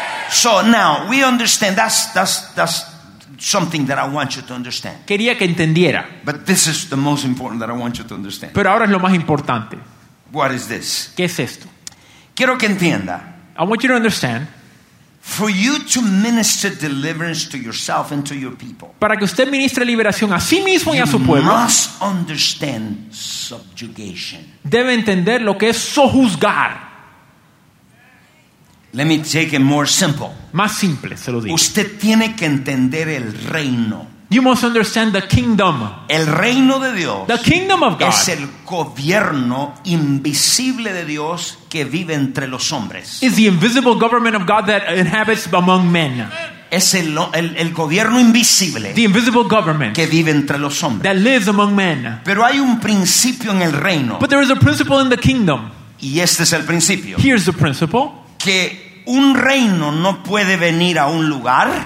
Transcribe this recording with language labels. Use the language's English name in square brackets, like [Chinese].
[English] So now we understand that's something that I want you to understand. [Spanish] Quería que entendiera. [English] But this is the most important that I want you to understand. [Spanish] Pero ahora es lo más importante. [English] What is this? [Spanish] ¿Qué es esto? Quiero que entienda. [English] I want you to understand. For you to minister deliverance to yourself and to your people. [Spanish] Para que usted ministre liberación a sí mismo y a su pueblo. [English] You must understand subjugation. [Spanish] Debe entender lo que es sojuzgar. [English] Let me take it more simple. [Spanish] Más simple, se lo digo. Usted tiene que entender el reino. [English] You must understand the kingdom. [Spanish] El reino de Dios. [English] The kingdom of God. [Spanish] Es el gobierno invisible de Dios que vive entre los hombres. [English] Is the invisible government of God that inhabits among men. [Spanish] Es el gobierno invisible. [English] The invisible government. [Spanish] Que vive entre los hombres. [English] That lives among men. [Spanish] Pero hay un principio en el reino. [English] But there is a principle in the kingdom. [Spanish] Y este es el principio. [English] Here's the principle. [Spanish] Que un reino no puede venir a un lugar.